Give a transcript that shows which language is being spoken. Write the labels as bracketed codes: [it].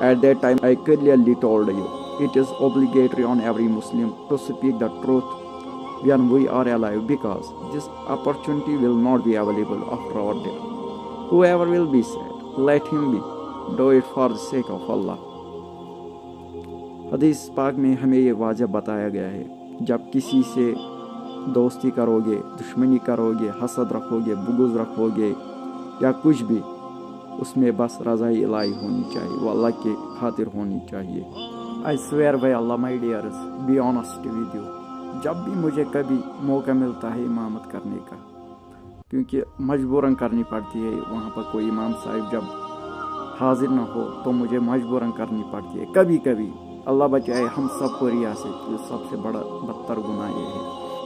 [en] At that time I clearly told you, it is obligatory on every Muslim to speak the truth when we are alive, because this opportunity will not be available after our death. Whoever will be said, let him be. Do it for the sake of Allah. [ur] حدیث پاک میں ہمیں یہ واجب بتایا گیا ہے, جب کسی سے دوستی کرو گے, دشمنی کرو گے, حسد رکھو گے, بغض رکھو گے یا کچھ بھی, اس میں بس رضائی الہی ہونی چاہیے, وہ اللہ کے خاطر ہونی چاہیے. [en] I swear by Allah, my dears, be honest with you. [ur] جب بھی مجھے کبھی موقع ملتا ہے امامت کرنے کا, کیونکہ مجبوراً کرنی پڑتی ہے, وہاں پر کوئی امام صاحب جب حاضر نہ ہو تو مجھے مجبوراً کرنی پڑتی ہے, کبھی کبھی, اللہ بچائے ہم سب کو ریا سے, یہ سب سے بڑا بدتر گناہ یہ ہے.